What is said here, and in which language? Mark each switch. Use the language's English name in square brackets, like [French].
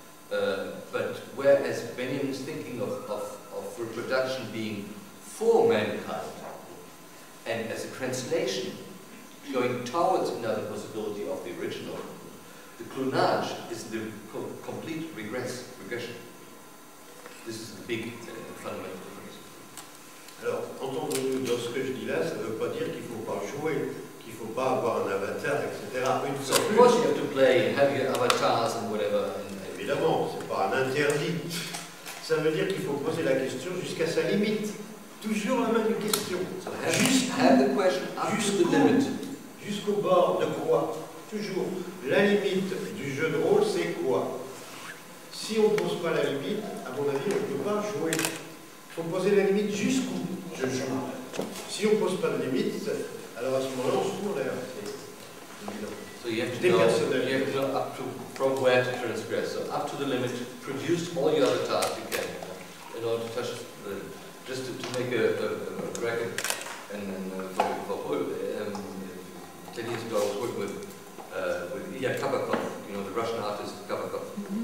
[English] But whereas Benjamin is thinking of reproduction being for mankind, and as a translation, going towards another possibility of the original, the clonage is the complete regression. This is the big fundamental difference. [French] Alors, entendons-nous dans ce que je dis là, ça ne veut pas dire qu'il ne faut pas jouer, qu'il ne faut pas avoir un avatar, etc. [English] So, of course you have to play, have your avatars and whatever. [French] Évidemment, ce n'est pas un interdit. Ça veut dire qu'il faut poser la question jusqu'à sa limite. Toujours la même question. [English] So have the question [French] jusqu'au [English] limit. [French] Jusqu'au bord de quoi? Toujours. La limite du jeu de rôle, c'est quoi? Si on ne pose pas la limite, à mon avis, on ne peut pas jouer. Il faut poser la limite jusqu'où je joue. Si on ne pose pas de limite, alors à ce moment-là, on se fout en l'air. [English] So you have to know, up to from where to transgress. So up to the limit, produce all your avatars you can in order to touch the limit. Just to make a bracket and 10 years ago I was working with Ilya Kabakov, you know, the Russian artist Kabakov.